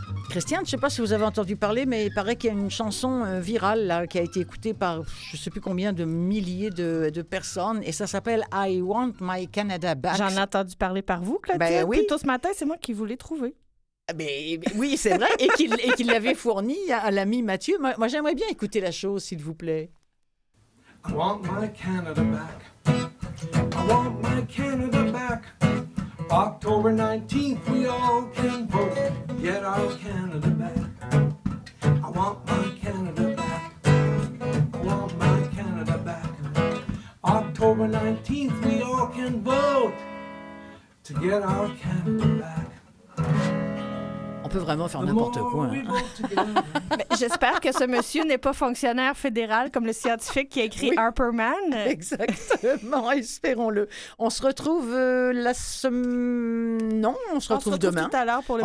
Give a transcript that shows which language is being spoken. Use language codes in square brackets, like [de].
[fr] Christiane, je ne sais pas si vous avez entendu parler, mais il paraît qu'il y a une chanson virale là, qui a été écoutée par je ne sais plus combien de milliers de personnes. Et ça s'appelle « [en] I want my Canada back ». [fr] J'en ai entendu parler par vous, Claudia. Ben, oui. Plutôt ce matin, c'est moi qui vous l'ai trouvé. Oui, c'est vrai. et qu'il l'avait fourni à l'ami Mathieu. Moi, j'aimerais bien écouter la chose, s'il vous plaît. [en] « I want my Canada back. I want my Canada back. » October 19th, we all can vote, get our Canada back. I want my Canada back. I want my Canada back. October 19th, we all can vote to get our Canada back. [fr] On peut vraiment faire n'importe quoi. Hein. J'espère que ce monsieur n'est pas fonctionnaire fédéral comme le scientifique qui a écrit oui. Harper Man. Exactement, espérons-le. On se retrouve la semaine... Non, on se retrouve demain. On se retrouve tout à l'heure pour le